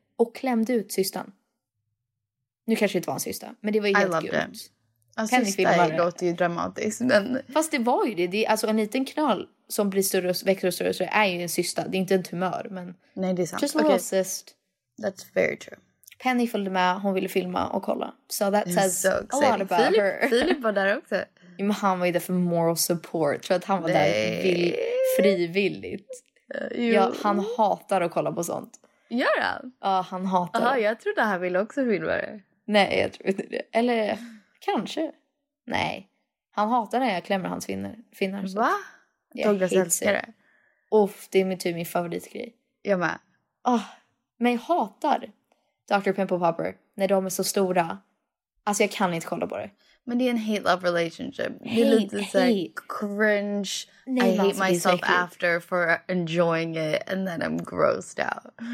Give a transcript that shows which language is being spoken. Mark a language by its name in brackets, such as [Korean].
[Swedish] Och klämde ut systern. Nu kanske det inte var en syster, men det var ju helt gult. Alltså, det låter ju dramatiskt, men... Fast det var ju det. Det är alltså en liten knall som blir större och växer och större, så är ju en cysta. Det är inte en tumör, men... Nej, det är sant. [English] Just a little cyst. That's very true. [Swedish] Penny följde med. Hon ville filma och kolla. [English] So that says so a lot about her. [Swedish] Philip var där också. Ja, men han var ju där för moral support. Tror att han var där frivilligt. Ja, han hatar att kolla på sånt. Gör han? Ja, han hatar. Jaha, jag trodde han ville också filma det. Nej, jag tror inte det. Eller... Kanske. Nej. Han hatar när jag klämmer hans finnar. Va? Douglas älskar det. Uff, det är typ min favoritgrej. Jag med. Oh, men jag hatar Dr. Pimple Popper när de är så stora. Alltså jag kan inte kolla på det. Men det är en hate-love relationship. Det är lite såhär cringe. Nej, [English] I hate myself after for enjoying it and then I'm grossed out.